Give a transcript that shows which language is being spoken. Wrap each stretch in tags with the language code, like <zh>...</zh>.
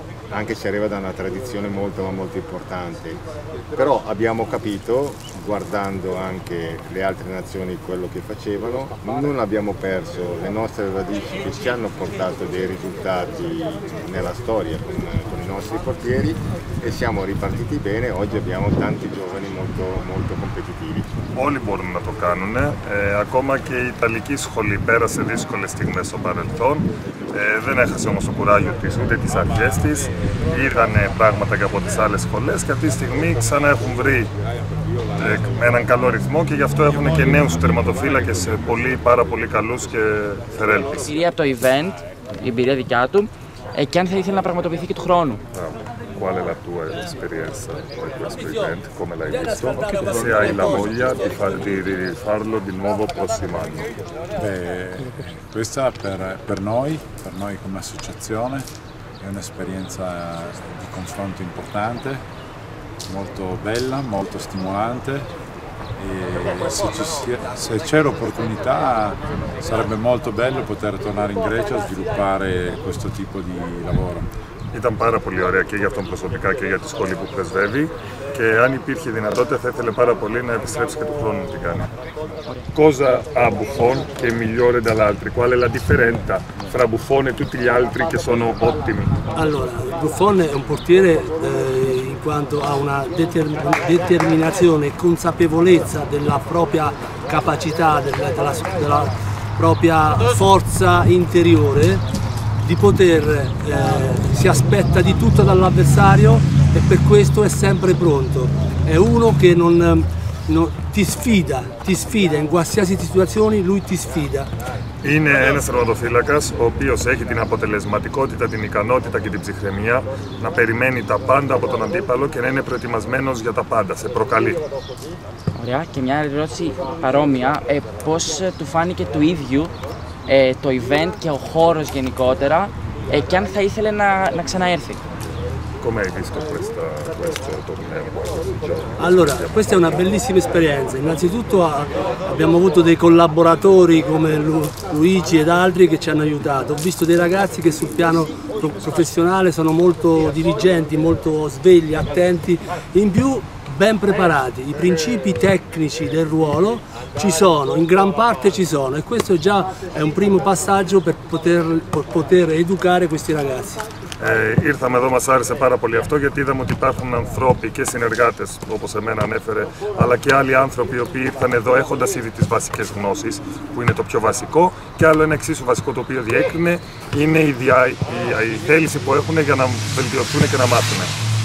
<it>anche se arriva da una tradizione molto ma molto importante, però abbiamo capito, guardando anche le altre nazioni quello che facevano, non abbiamo perso le nostre radici che ci hanno portato dei risultati nella storia con i nostri portieri e siamo ripartiti bene, oggi abbiamo tanti giovani molto, molto competitivi.</it> <el>Όλοι μπορούν να το κάνουν, ακόμα και η Ιταλική σχολή πέρασε δύσκολες στιγμές στο παρελθόν, δεν έχασε όμως το κουράγιο της ούτε τις αρχές της, είδανε πράγματα και από τις άλλες σχολές και αυτή τη στιγμή ξανά έχουν βρει με έναν καλό ρυθμό και γι' αυτό έχουν και νέους τερματοφύλακες πολύ, πάρα πολύ καλούς και θερέλπεις. Εμπειρία από το event, η εμπειρία δικιά του, και αν θα ήθελε να πραγματοποιηθεί και του χρόνου.</el> <it>Qual è la tua esperienza con questo event? Come l'hai visto? Se hai la voglia di, farlo di nuovo prossimo anno? Beh, questa per noi come associazione, è un'esperienza di confronto importante, molto bella, molto stimolante. E se c'è l'opportunità sarebbe molto bello poter tornare in Grecia a sviluppare questo tipo di lavoro.</it> <el>Ήταν πάρα πολύ ωραία και για αυτόν προσωπικά και για τη σχολή που πρεσβεύει και αν υπήρχε δυνατότητα θα ήθελε πάρα πολύ να επιστρέψει και του χρόνου να την κάνει.</el> <it>Cosa ha Buffon che migliore dall'altri? Qual è la differenza fra Buffon e tutti gli altri che sono ottimi? Allora, Buffon è un portiere in quanto ha una determinazione e consapevolezza della propria capacità, della propria forza interiore di poter, si aspetta di tutto dall'avversario e per questo è sempre pronto. È uno che non ti sfida in qualsiasi situazione, lui ti sfida.</it> <el>Είναι ένας τερματοφύλακας ο οποίος έχει την αποτελεσματικότητα, την ικανότητα και την ψυχραιμία να περιμένει τα πάντα από τον αντίπαλο και να είναι προετοιμασμένος για τα πάντα, σε προκαλεί. Ωραία, και μια ερώτηση παρόμοια, πώς του φάνηκε του ίδιου το event και ο χώρος γενικότερα και αν θα ήθελε να ξαναέρθει.</el> <it>Come hai visto questo torneo? Allora, questa è una bellissima esperienza. Innanzitutto abbiamo avuto dei collaboratori come Luigi ed altri che ci hanno aiutato. Ho visto dei ragazzi che sul piano professionale sono molto diligenti, molto svegli, attenti. In più ben preparati, i principi tecnici del ruolo ci sono, in gran parte ci sono e questo già è un primo passaggio per poter educare questi ragazzi.</it> <el>Ήρθαμε εδώ, μας άρεσε πάρα πολύ αυτό γιατί είδαμε ότι υπάρχουν ανθρώποι και συνεργάτες όπως εμένα ανέφερε αλλά και άλλοι άνθρωποι οι οποίοι ήρθαν εδώ έχοντας ήδη τις βασικές γνώσεις που είναι το πιο βασικό και άλλο ένα εξίσου βασικό το οποίο διέκρινε είναι η θέληση που έχουν για να βελτιωθούν και να μάθουν.</el>